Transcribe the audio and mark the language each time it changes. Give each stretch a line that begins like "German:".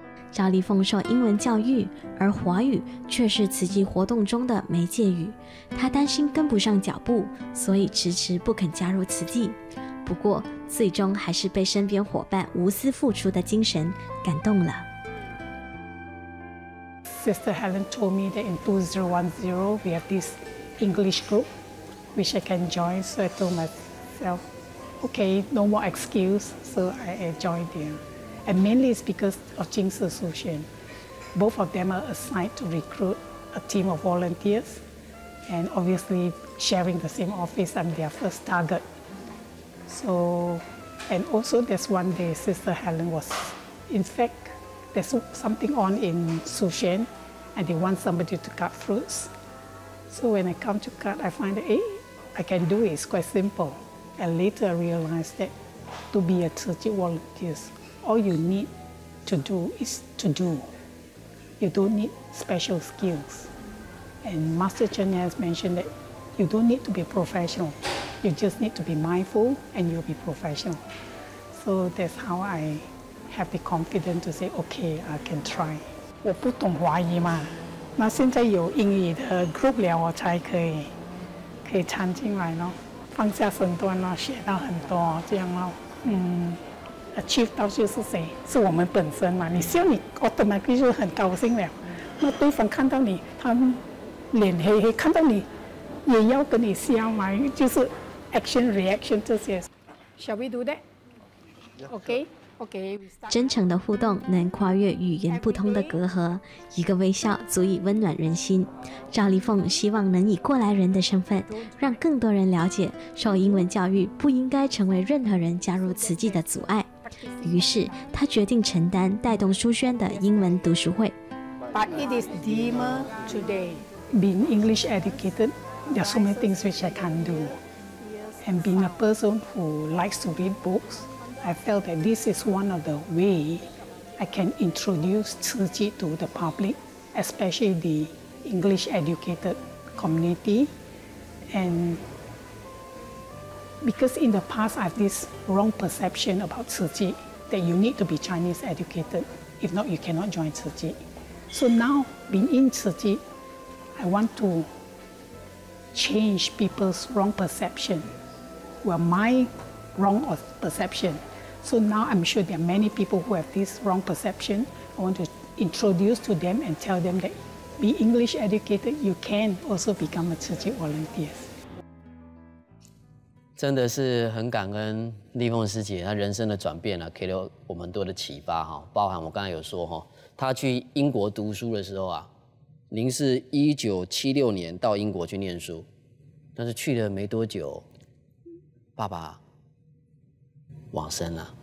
Chinese: 赵丽凤受英文教育，而华语却是慈济活动中的媒介语，她担心跟不上脚步，所以迟迟不肯加入慈济。不过最终还是被身边伙伴无私付出的精神感动了。
English: Sister Helen told me that in 2010 we have this English groupwhich I can join, so I told myself, okay, no more excuse, so I joined there. And mainly it's because of Jing Shi Su Xuan. Both of them are assigned to recruit a team of volunteers. And obviously sharing the same office, I'm their first target. So, and also there's one day Sister Helen was, in fact, there's something on in Su Xuan and they want somebody to cut fruits. So when I come to cut, I find that, hey, I can do it, it's quite simple. And later I realized that to be a Ziji volunteer, all you need to do is to do. You don't need special skills. And Master Chen has mentioned that you don't need to be professional. You just need to be mindful and you'll be professional. So that's how I have the confidence to say, okay, I can try.
Chinese: 我不懂华语嘛，那现在有英语的 group 了，我才可以参进来咯，放下身段咯，学到很多这样咯。 Achieve 到就是谁？是我们本身嘛。你笑你，我本来就是很高兴了。那对方看到你，他脸黑黑，看到你也要跟你笑嘛，就是 action reaction 这些。
English: Shall we do that? Okay.
Chinese: 真诚的互动能跨越语言不通的隔阂，一个微笑足以温暖人心。赵丽凤希望能以过来人的身份，让更多人了解受英文教育不应该成为任何人加入慈济的阻碍。于是，她决定承担带动书宣的英文读书会。
English: But it is dimmer today. Being English educated, there are so many things which I can do. And being a person who likes to read books. I felt that this is one of the way I can introduce Ziji to the public, especially the English educated community. And because in the past I have this wrong perception about Ziji, that you need to be Chinese educated, if not you cannot join Ziji. So now being in Ziji, I want to change people's wrong perception, well, my wrong perception. So now I'm sure there are many people who have this wrong perception. I want to introduce to them and tell them that be English educated, you can also become a Ziji volunteer.
Chinese: 真的是很感恩丽凤师姐，她人生的转变给了我们多的启发，包含我刚才有说，她去英国读书的时候，您是1976年到英国去念书，但是去了没多久，爸爸往生了，